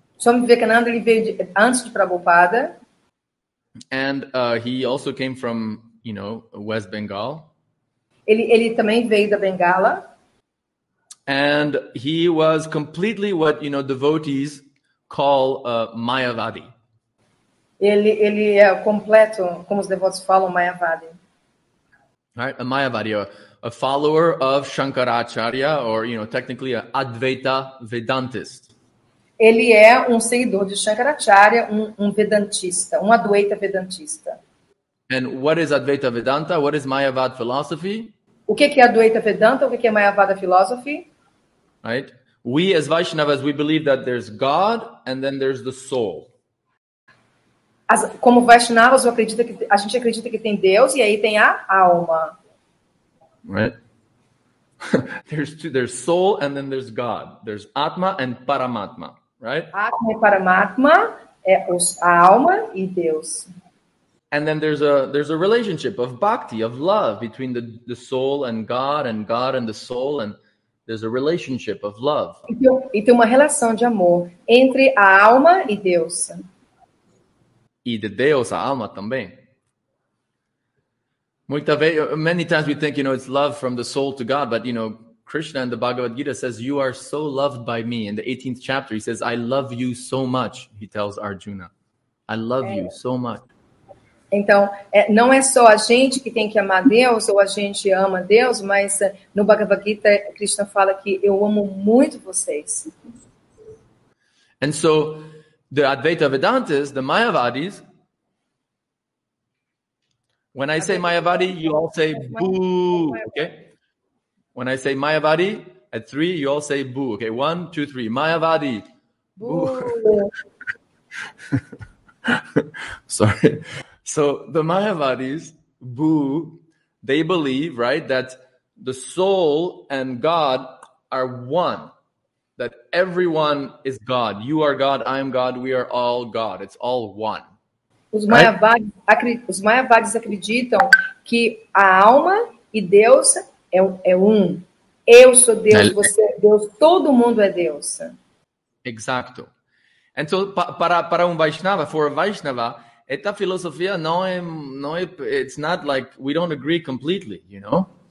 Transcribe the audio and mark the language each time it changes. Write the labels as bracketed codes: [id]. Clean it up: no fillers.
[pt] Swami Vivekananda, ele veio antes de Prabhupada. [en] And he also came from, you know, West Bengal. [pt] Ele também veio da Bengala. [en] And he was completely what, you know, devotees call Mayavadi. [pt] Ele é completo, como os devotos falam, Mayavadi. [en] Right, a Mayavadi, a follower of Shankaracharya, or, you know, technically, an Advaita Vedantist. [pt] Ele é um seguidor de Shankaracharya, um Vedantista, um Advaita Vedantista. [en] And what is Advaita Vedanta? What is Mayavada philosophy? [pt] O que é Advaita Vedanta? O que é Mayavada philosophy? [en] Right? We, as Vaishnavas, we believe that there's God, and then there's the soul. [pt] Como Vaishnavas, a gente acredita que tem Deus, e aí tem a alma. [en] Right. There's two. There's soul and then there's God. There's Atma and Paramatma. Right. Atma e Paramatma é a alma e Deus. And then there's a relationship of bhakti, of love between the soul and God and the soul, and there's a relationship of love. [pt] E tem uma relação de amor entre a alma e Deus. E de Deus a alma também. [en] Many times we think, you know, it's love from the soul to God, but, you know, Krishna in the Bhagavad Gita says, "You are so loved by me." In the 18th chapter, he says, "I love you so much," he tells Arjuna. "I love you so much." [pt] Então, não é só a gente que tem que amar Deus ou a gente ama Deus, mas no Bhagavad Gita, Krishna fala que eu amo muito vocês. [en] And so, the Advaita Vedantas, the Mayavadis, when I say Mayavadi, you all say boo, okay? When I say Mayavadi at three, you all say boo, okay? One, two, three, Mayavadi, boo. Sorry. So the Mayavadis, boo, they believe, right, that the soul and God are one, that everyone is God. You are God, I am God, we are all God. It's all one. [pt] Os Mayavadis acreditam que a alma e Deus é um. Eu sou Deus, você é Deus, todo mundo é Deus. Exato. Então, para Vaishnava, [en] for a Vaishnava, [pt] esta filosofia não é, [en] it's not like, we don't agree completely, you know?